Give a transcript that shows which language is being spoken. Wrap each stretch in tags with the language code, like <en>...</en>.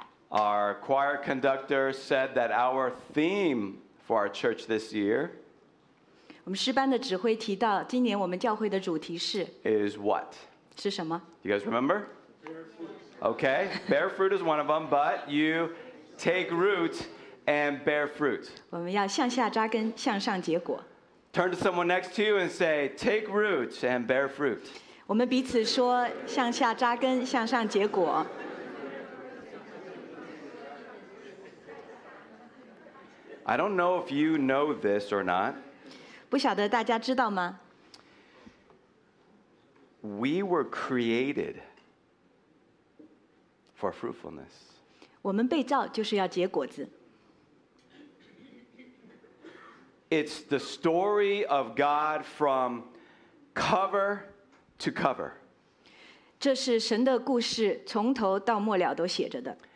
<en>Our choir conductor said that our theme for our church this year.</en> <zh>我们诗班的指挥提到，今年我们教会的主题是.</zh> <en>Is what?</en> <zh>是什么?</zh> <en>You guys remember? Okay, bear fruit is one of them, but you take root and bear fruit.</en> <zh>我们要向下扎根，向上结果。</zh> <en>Turn to someone next to you and say, take root and bear fruit.</en> <zh>我们彼此说，向下扎根，向上结果。</zh> <en>I don't know if you know this or not.</en> <zh>不晓得大家知道吗?</zh> <en>We were created for fruitfulness.</en> <zh>我们被造就是要结果子。</zh> <en>It's the story of God from cover to cover.</en> <zh>这是神的故事，从头到末了都写着的。</zh>